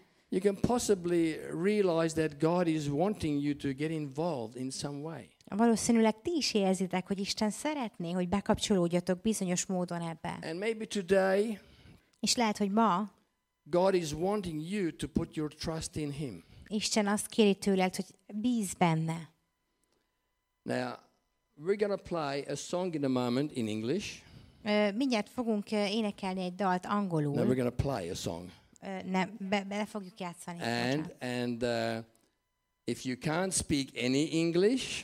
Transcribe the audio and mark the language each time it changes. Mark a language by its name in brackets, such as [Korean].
[English] You can possibly realize that God is wanting you to get involved in some way. [Hungarian] Valószínűleg ti is érzitek, hogy Isten szeretné, hogy bekapcsolódjatok bizonyos módon ebbe. [English] And maybe today. [Hungarian] És lehet, hogy ma. [English] God is wanting you to put your trust in Him. [Hungarian] Isten azt kéri tőled, hogy bízz benne. [English] Now, we're going to play a song in a moment in English. [Hungarian] Mindjárt fogunk énekelni egy dalt angolul. [English] Now we're going to play a song. [Hungarian] Bele fogjuk játszani. [English] And if you can't speak any English,